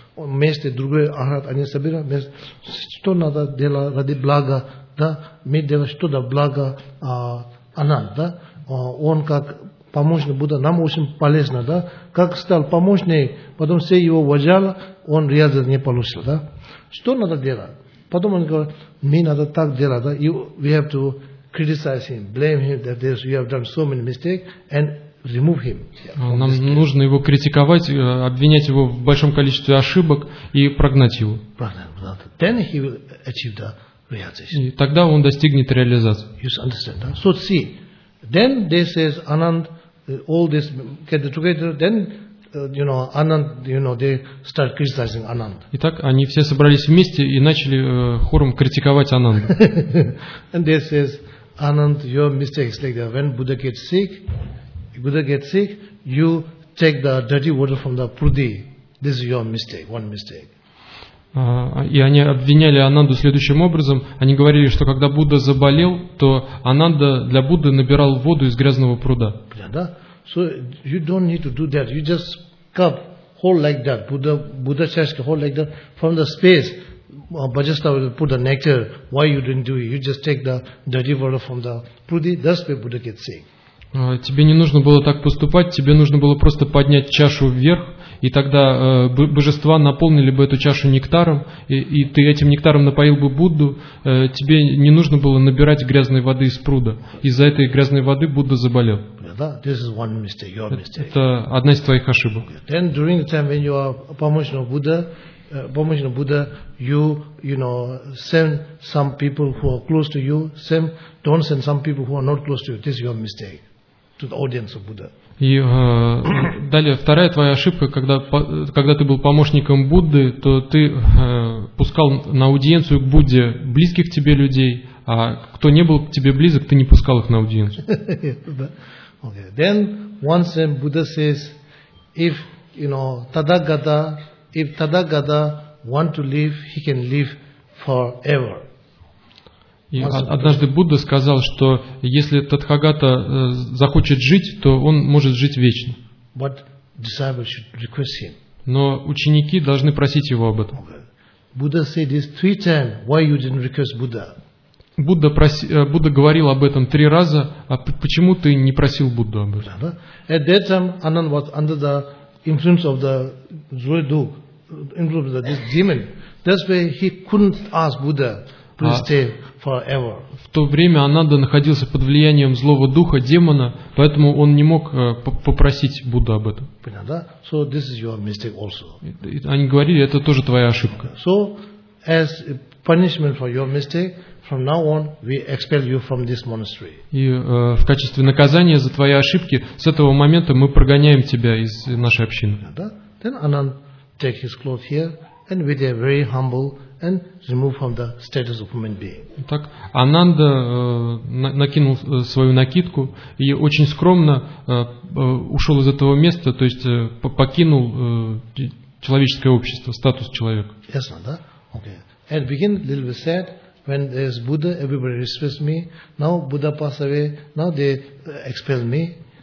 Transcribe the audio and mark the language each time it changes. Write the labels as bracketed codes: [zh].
[ru] Вместе другой Архат, они собирают, что надо делать ради блага, да? Мы делаем что-то благо Ананд, да? Он как помощник Будда, нам очень полезно, да? Как стал помощник, потом все его уважали, он реализации не получил, да? Что надо делать? Потом он говорит, мне надо так делать, да? [en] We have to criticize him, blame him, that this, you have done so many mistakes, and remove him. [ru] Нам нужно его критиковать, обвинять его в большом количестве ошибок и прогнать его. [en] Then he will achieve the realization. [ru] И тогда он достигнет реализации. [en] You understand, да? So see, then they say, Anand, all this gather together, then... they start criticizing Anand. [ru] Итак, они все собрались вместе и начали хором критиковать Ананду. [en] And they says, Anand, your mistake is like that. When Buddha gets sick, you take the dirty water from the prudhi. This is your mistake, one mistake. [ru] И они обвиняли Ананду следующим образом. Они говорили, что когда Будда заболел, то Ананда для Будды набирал воду из грязного пруда. [en] Да? So you don't need to do that. You just cup, hold like that. Buddha chashka, hold like that. From the space, Bajasta will put the nectar. Why you didn't do it? You just take the dirty water from the prudhi. That's where Buddha gets sick. [ru] Тебе не нужно было так поступать. Тебе нужно было просто поднять чашу вверх, и тогда божества наполнили бы эту чашу нектаром, и ты этим нектаром напоил бы Будду. Тебе не нужно было набирать грязной воды из пруда. Из-за этой грязной воды Будда заболел. [en] This is one mistake, your mistake. [ru] Это одна из твоих ошибок. [en] Then during the time when you are [ru] помощник Будда, [en] you send some people who are close to you, don't send some people who are not close to you. This is your mistake. To the audience of Buddha. [ru] И далее вторая твоя ошибка, когда ты был помощником Будды, то ты пускал на аудиенцию к Будде близких тебе людей, а кто не был к тебе близок, ты не пускал их на аудиенцию. [en] Okay. Then once the Buddha says, if you know Tathagata, if Tathagata want to live, he can live forever. [ru] И однажды Будда сказал, что если Тадхагата захочет жить, то он может жить вечно. [en] But disciples should request him. [ru] Но ученики должны просить его об этом. [en] Buddha said this three times. Why you didn't request Buddha? [ru] Будда говорил об этом три раза, а почему ты не просил Будду об этом? [en] At that time, Anand was under the influence of the Zuidu, influence of this demon. That's why he couldn't ask Buddha. [ru] В то время Ананда находился под влиянием злого духа, демона, поэтому он не мог попросить Будду об этом. Понятно? [en] So this is your mistake also. [ru] Они говорили, это тоже твоя ошибка. [en] So as punishment for your mistake, from now on we expel you from this monastery. [ru] И в качестве наказания за твои ошибки с этого момента мы прогоняем тебя из нашей общины. [en] Then Anand take his clothes here and with a very humble and remove from the status of human being. [ru] Так Ананда накинул свою накидку и очень скромно ушел из этого места, то есть покинул человеческое общество, статус человека. [en] Yes, да? Okay. And begin a little bit sad when there's Buddha, everybody respects me. Now Buddha passed away, now they expel me.